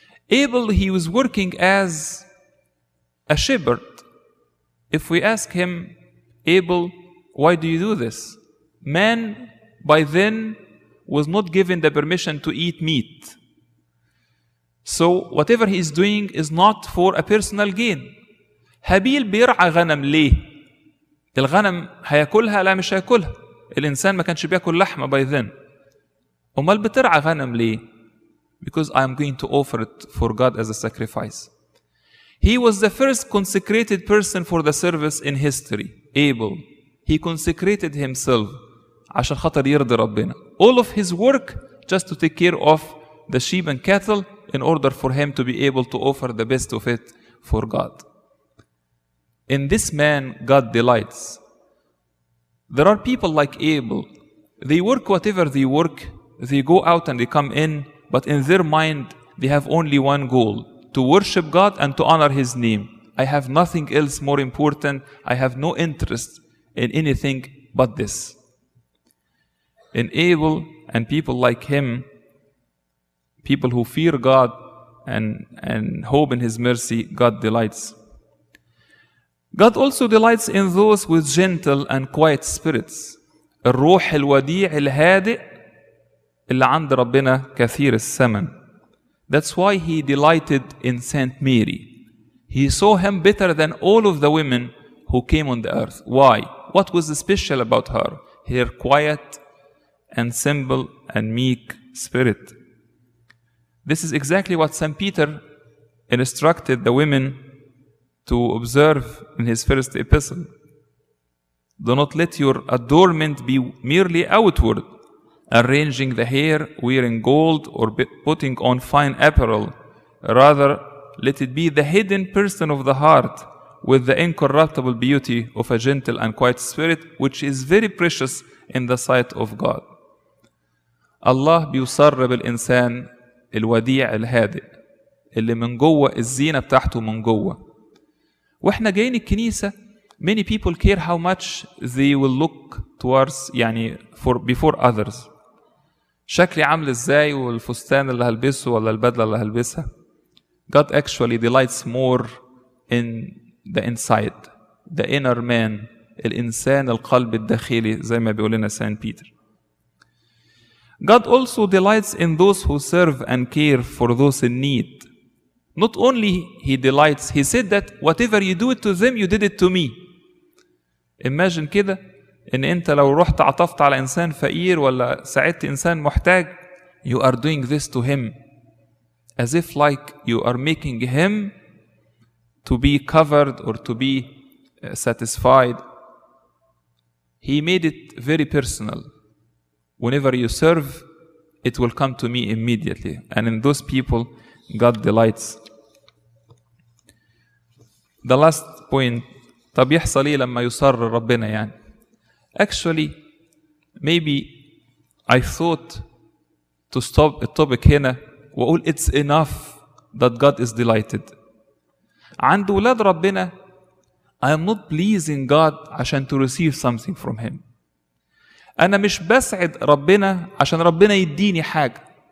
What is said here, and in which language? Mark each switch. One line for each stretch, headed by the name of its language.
English: Abel, he was working as a shepherd. If we ask him, Abel, why do you do this? Man, by then, was not given the permission to eat meat. So, whatever he is doing is not for a personal gain.
Arabic: Habil بيرعى غنم ليه? الغنم هياكلها لا مش هياكلها. الإنسان ما كانش بياكل لحمة
English: by then.
Arabic: أمال بترعى غنم ليه?
English: Because I am going to offer it for God as a sacrifice. He was the first consecrated person for the service in history. Abel, he consecrated himself
Arabic: عشان خطر يرضي ربنا.
English: All of his work just to take care of the sheep and cattle in order for him to be able to offer the best of it for God. In this man, God delights. There are people like Abel. They work whatever they work. They go out and they come in. But in their mind, they have only one goal. To worship God and to honor His name. I have nothing else more important. I have no interest in anything but this. In Abel and people like him, people who fear God and hope in His mercy, God delights. God also delights in those with gentle and quiet spirits.
Arabic: الروح الوديع الهادئ اللي عند ربنا كثير الثمن.
English: That's why he delighted in Saint Mary. He saw him better than all of the women who came on the earth. Why? What was special about her? Her quiet and simple and meek spirit. This is exactly what St. Peter instructed the women to observe in his first epistle. Do not let your adornment be merely outward, arranging the hair, wearing gold, or putting on fine apparel. Rather, let it be the hidden person of the heart with the incorruptible beauty of a gentle and quiet spirit, which is very precious in the sight of God.
Arabic: Allah بيصرب الإنسان الوديع الهادئ اللي من جوه الزينة بتاعته من جوه. وإحنا جايين الكنيسة,
English: many people care how much they will look towards, يعني for before others.
Arabic: شكلي عامل إزاي والفستان اللي هلبسه ولا البدلة اللي هلبسها.
English: God actually delights more in the inside, the inner man,
Arabic: الإنسان القلب الداخلي زي ما بيقول لنا سان بيتر.
English: God also delights in those who serve and care for those in need. Not only He delights, He said that whatever you do it to them, you did it to me.
Arabic: Imagine كده, إن أنت لو رحت عطفت على إنسان فقير ولا ساعدت إنسان محتاج,
English: you are doing this to him. As if like you are making him to be covered or to be satisfied. He made it very personal. Whenever you serve, it will come to me immediately. And in those people, God delights. The last point,
Arabic: طب يحصل إيه لما يصر ربنا يعني.
English: Actually, maybe I thought to stop the topic
Arabic: هنا وأقول
English: it's enough that God is delighted.
Arabic: عند ولاد ربنا,
English: I am not pleasing God عشان to receive something from Him.
Arabic: أنا مش بسعد ربنا عشان ربنا يديني حاجة.